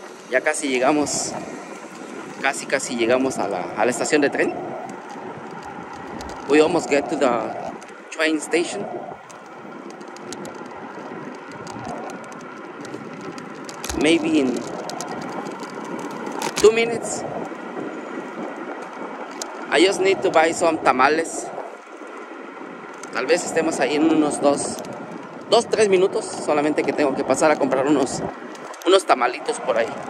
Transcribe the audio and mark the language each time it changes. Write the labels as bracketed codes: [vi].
[es] Ya casi llegamos, casi llegamos a la estación de tren. [en] We almost get to the train station. Maybe in 2 minutes. I just need to buy some tamales. [es] Tal vez estemos ahí en unos 2-3 minutos. Solamente que tengo que pasar a comprar unos tamalitos por ahí.